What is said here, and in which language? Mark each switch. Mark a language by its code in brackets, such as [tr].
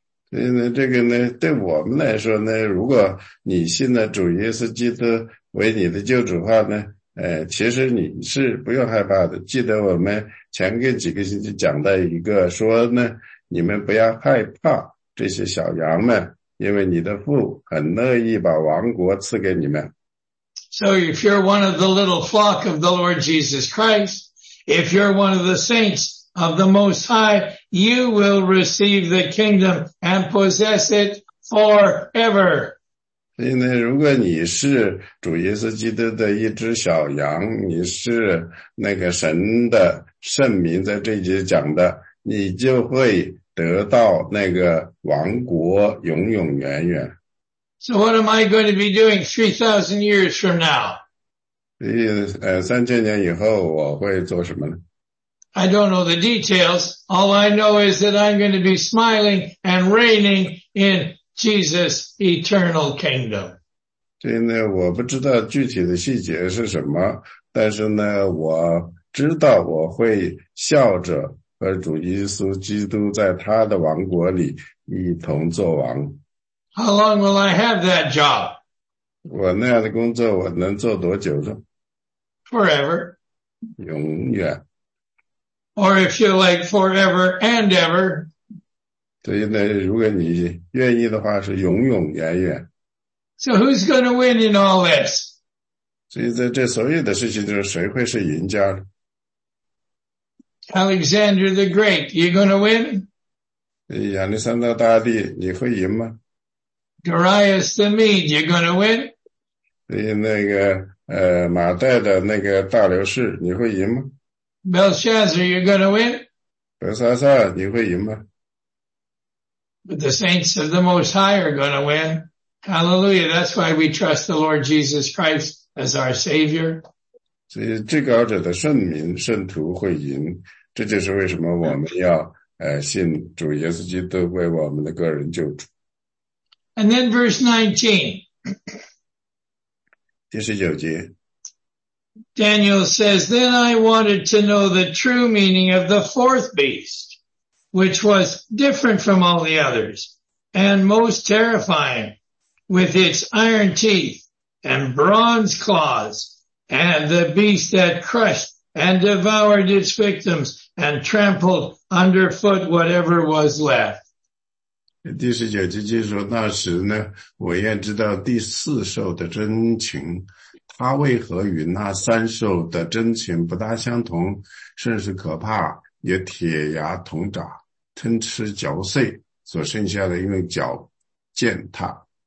[zh] 所以呢，这个呢，对我们来说呢，如果你信了主耶稣基督为你的救主的话呢，其实你是不用害怕的。记得我们前个几个星期讲的一个说呢，你们不要害怕这些小羊们，因为你的父很乐意把王国赐给你们。 [en] So if you're one of the little flock of the Lord Jesus Christ, if you're one of the saints. Of the Most High, you will receive the kingdom and possess it forever. [zh] 所以呢，如果你是主耶稣基督的一只小羊，你是那个神的圣民，在这节讲的，你就会得到那个王国永永远远。 [en] So what am I going to be doing 3,000 years from now? [zh] 所以三千年以后我会做什么呢？ [en] I don't know the details. All I know is that I'm going to be smiling and reigning in Jesus' eternal kingdom. [zh] 这呢，我不知道具体的细节是什么，但是呢，我知道我会笑着和主耶稣基督在他的王国里一同作王。 [en] How long will I have that job? [zh] 我那样的工作我能做多久呢？ [en] Forever. [zh] 永远。 [en] Or if you like forever and ever. [zh] 所以呢，如果你愿意的话，是永永远远。 [en] So who's going to win in all this? [zh] 所以在这所有的事情中，谁会是赢家呢？ [en] Alexander the Great, you going to win? [zh] 亚历山大大帝，你会赢吗？ [en] Darius the Mede, you going to win? [zh] 所以那个马代的那个大流士，你会赢吗？ [en] Belshazzar, you're going to win? [zh] Belshazzar, 你会赢吗？ [en] But the saints of the Most High are going to win. Hallelujah, that's why we trust the Lord Jesus Christ as our Savior. [zh] 所以至高者的圣名圣徒会赢，这就是为什么我们要信主耶稣基督为我们的个人救主。 [en] And then verse 19. [zh] 第十九节。 [en] Daniel says, then I wanted to know the true meaning of the fourth beast, which was different from all the others and most terrifying with its iron teeth and bronze claws and the beast that crushed and devoured its victims and trampled underfoot whatever was left. [zh] 第十九节就是说那时呢我愿知道第四兽的真情。他为何与那三兽的真情不大相同，甚是可怕，也铁牙铜爪，吞吃嚼碎，所剩下的用脚践踏。